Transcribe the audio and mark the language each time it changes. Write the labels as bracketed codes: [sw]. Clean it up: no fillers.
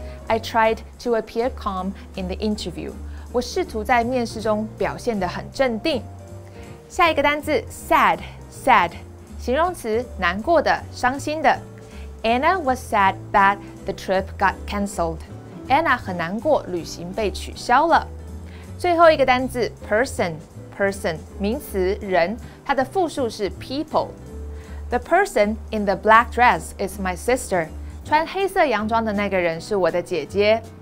[en] I tried to appear calm in the interview. [zh] 我试图在面试中表现得很镇定。下一个单字 sad, 形容词，难过的，伤心的。 [en] Anna was sad that the trip got cancelled. [zh] Anna 很难过，旅行被取消了。最后一个单字 person, 名词，人，它的复数是 people。 [en] The person in the black dress is my sister. [zh] 穿黑色洋装的那个人是我的姐姐。